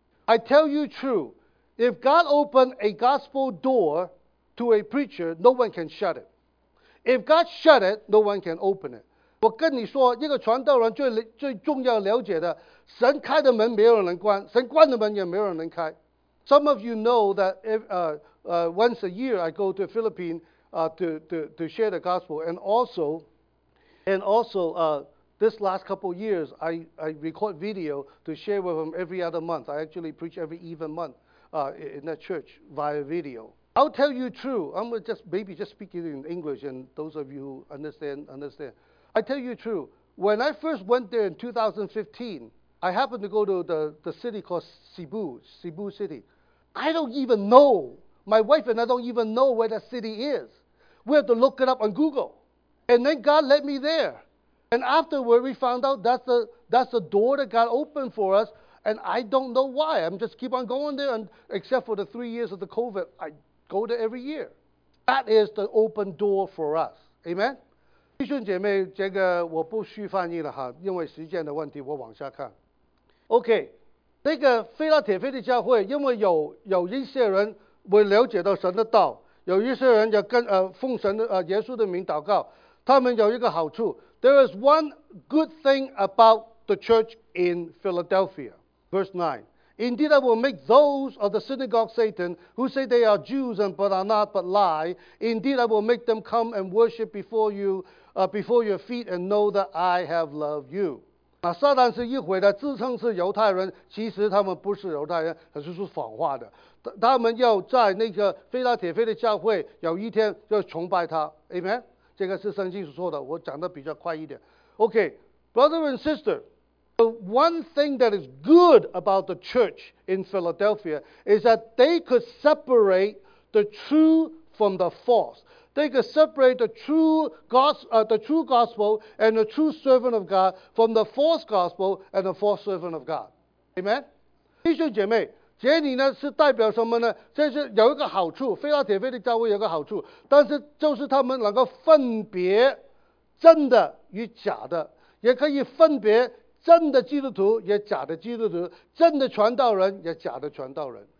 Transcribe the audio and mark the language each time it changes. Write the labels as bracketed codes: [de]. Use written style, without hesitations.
[en] I tell you true, if God opened a gospel door to a preacher, no one can shut it. If God shut it, no one can open it. [zh] 我跟你说，一个传道人最重要了解的，神开的门没有人能关，神关的门也没有人能开。 [en] Some of you know that once a year I go to Philippines to share the gospel, This last couple of years, I record video to share with them every other month. I actually preach every even month in that church via video. I'll tell you true. I'm going to just speak it in English, and those of you who understand. I tell you true. When I first went there in 2015, I happened to go to the city called Cebu City. I don't even know. My wife and I don't even know where that city is. We have to look it up on Google. And then God led me there. And afterward, we found out that's the door that God opened for us. And I don't know why. I'm just keep on going there. And except for the 3 years of the COVID, I go there every year. That is the open door for us. Amen? [zh] 弟兄姐妹，这个我不需翻译了哈，因为时间的问题，我往下看。 OK, 那个腓立铁的教会，因为有一些人会了解到神的道，有一些人要跟奉神的耶稣的名祷告，他们有一个好处。 [en] There is one good thing about the church in Philadelphia. Verse 9. Indeed, I will make those of the synagogue Satan who say they are Jews and but are not but lie. Indeed, I will make them come and worship before you, before your feet and know that I have loved you. [zh] 撒旦是一回的，自称是犹太人，其实他们不是犹太人，他是谎话的。他们要在那个腓立铁的教会有一天要崇拜他。Amen? 这个是圣经所说的，我讲的比较快一点。 [en] Okay, brother and sister, the one thing that is good about the church in Philadelphia is that they could separate the true from the false. They could separate the true gospel and the true servant of God from the false gospel and the false servant of God. Amen? [zh] 弟兄姐妹，这里呢是代表什么呢？这是有一个好处，腓拉铁菲的教会有一个好处，但是就是他们能够分别真的与假的，也可以分别真的基督徒也假的基督徒，真的传道人也假的传道人。